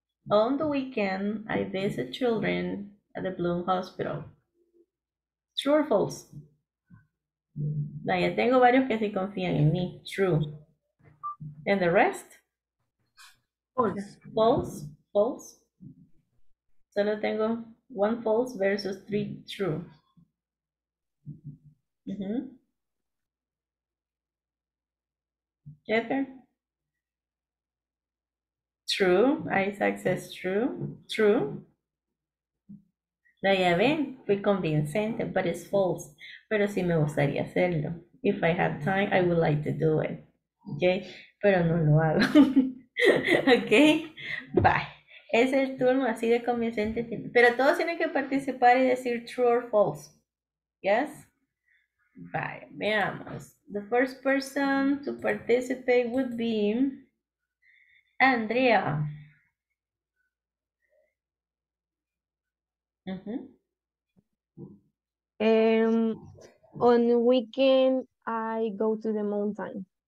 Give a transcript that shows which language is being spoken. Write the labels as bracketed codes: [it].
[en] On the weekend, I visit children at the Bloom Hospital. True or false? [es] Vaya, tengo varios que sí confían en mí. [en] True. And the rest? False. False? False? [es] Solo tengo [en] one false versus three true. Mm-hmm. Jeter? True. Isaac says true. True. [es] La ya ven, fui convincente, [en] but it's false. [es] Pero sí me gustaría hacerlo. [en] If I have time, I would like to do it. [es] Okay, pero no lo hago. Okay, bye. Es el turno así de convincente. Pero todos tienen que participar y decir [en] true or false. Yes? Bye, veamos. The first person to participate would be Andrea. Mm-hmm. On the weekend, I go to the mountain.